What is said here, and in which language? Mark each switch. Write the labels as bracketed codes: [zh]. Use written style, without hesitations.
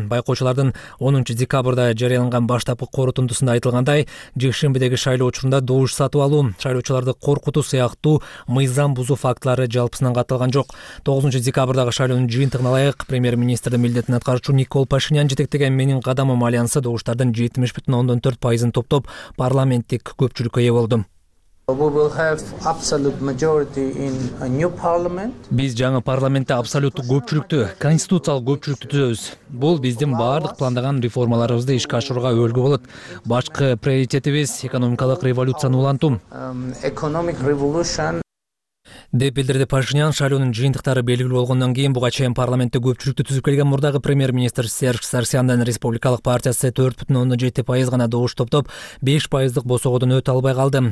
[ky] Байкоочулардын 10-декабрда жарыяланган баштапкы корутундусунда айтылгандай, жекшембидеги шайлоо учурунда доош сатып алуу, шайлоочуларды коркутуу сыяктуу мыйзам бузуу фактылары жалпысынан катталган жок. 9-декабрдагы шайлоонун жыйынтыгына ылайык, премьер-министрдин милдетин аткаруучу Никол Пашинян жетектеген менин кадамым альянсы добуштардын 70.4% топтоп парламенттик көпчүлүккө ээ болду. [en] We will have absolute majority in a new parliament. [ky] Биз жаңы парламентте абсолюттук көпчүлүктү, конституциялык көпчүлүктү түзөбүз. Бул биздин баардык пландаган реформаларыбызды ишке ашырууга өлгү болот. Башкы приоритетибиз экономикалык революцияны улантуу. [en] Economic revolution. [ky] Деп билдирди Пашинян. Шайлоонун жыйынтыктары белгилүү болгондон кийин буга чейин парламентте көпчүлүктү түзүп келген мурдагы премьер-министр Серж Сарсяндын республикалык партиясы 4.7% гана добуш топтоп, 5% босогодон өтө албай калды.